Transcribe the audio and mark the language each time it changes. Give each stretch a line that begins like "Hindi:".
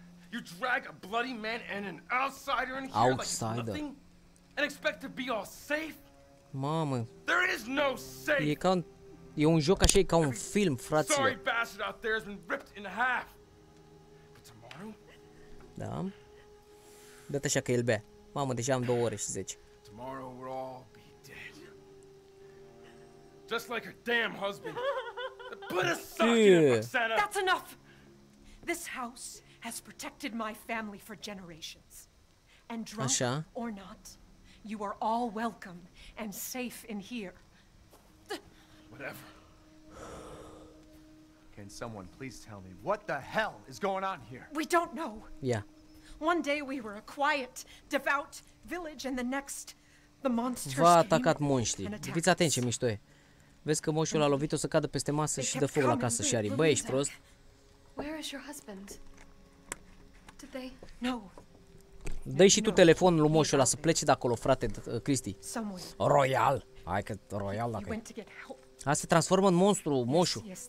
English: You drag a bloody man and an outsider in here outsider. Like nothing? And expect to be all safe? Mama. There is no safe!
Romanian: E ca un, e un joc așa, e ca un film, fraților.
English: Sorry bastard out there has been ripped in half. But tomorrow?
Romanian: Da. Dă-te așa că el bea. Mamă, deja am 2 ore și 10.
English: Tomorrow we'll all be dead. Just like her damn husband. Put a sock in a Roxana. That's enough! This house has protected my family for generations. And drunk
Romanian: așa.
English: Or not, you are all welcome and safe in here. Whatever. Can someone please tell me what the hell is going on here? We don't know. Yeah. One day we were a quiet, devout village and the next the monsters
Romanian: v-a atacat monștri. Fiți atenți ce mișto e. Vezi că moșul a lovit-o să cadă peste masă și dă foc la casă și are. Băi, ești prost?
English: Where is your husband? Did they? No.
Romanian: Dă-i și tu telefonul lui moșul ăla să plece de acolo, frate, Cristi. Royal. Hai că Royal dacă e. Asta se transformă în monstru, moșul.